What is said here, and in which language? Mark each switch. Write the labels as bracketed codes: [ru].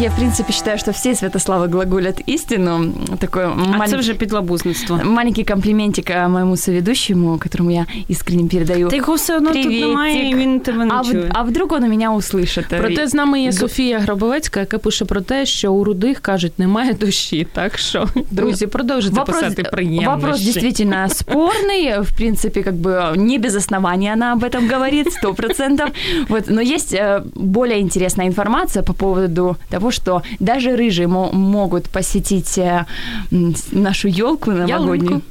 [ru] Я, в принципе, считаю, что все Святославы глаголят истину. Такое маленький... А это же [uk] підлобузництво. [ru] Маленький комплиментик моему соведущему, которому я искренне передаю. Ты его все равно приветик. [uk] Тут немає, и він тебе не чує. [ru] А вдруг он меня услышит? [uk] Проте з нами є Софія Гробовецька, яка пише про те, що у рудих, кажуть, немає душі. Так що, друзі, продовжуйте писати приємніше. [ru] Вопрос действительно спорный. В принципе, как бы не без основания она об этом говорит, 100%. Вот. Но есть более интересная информация по поводу того, что даже рыжие могут посетить нашу елку новогоднюю.